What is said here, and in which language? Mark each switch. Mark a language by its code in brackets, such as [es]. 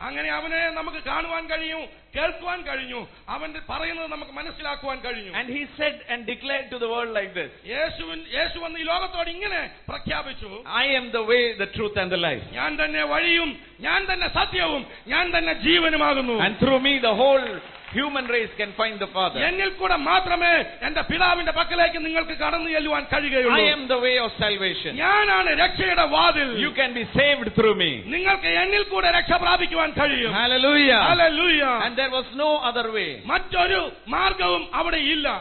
[ml] അങ്ങനെ അവനെ നമുക്ക് കാണുവാൻ കഴിയും, കേൾക്കുവാൻ കഴിഞ്ഞു, അവന്റെ പറയുന്നത് നമുക്ക് മനസ്സിലാക്കുവാൻ കഴിഞ്ഞു. [en] And he said and declared to the world like this. [ml] യേശു വന്ന് ഈ ലോകത്തോട് ഇങ്ങനെ പ്രഖ്യാപിച്ചു. [en] I am the way, the truth and the life. [ml] ഞാൻ തന്നെ വഴിയും ഞാൻ തന്നെ സത്യവും ഞാൻ തന്നെ ജീവനുമാകുന്നു. [en] And through me the whole human race can find the father. [ml] എന്നിൽ കൂടെ മാത്രമേ എൻ്റെ പിതാവിന്റെ പക്കലേക്ക് നിങ്ങൾക്ക് കടന്നു ചെല്ലുവാൻ കഴിയുകയുള്ളൂ. [en] I am the way of salvation. [ml] ഞാനാണ് രക്ഷയുടെ വാതിൽ. [en] You can be saved through me. [ml] നിങ്ങൾക്ക് എന്നിൽ കൂടെ രക്ഷ പ്രാപിക്കുവാൻ കഴിയും. [en] Hallelujah. Hallelujah. And there was no other way. [ml] മറ്റൊരു മാർഗ്ഗവും അവിടെ ഇല്ല.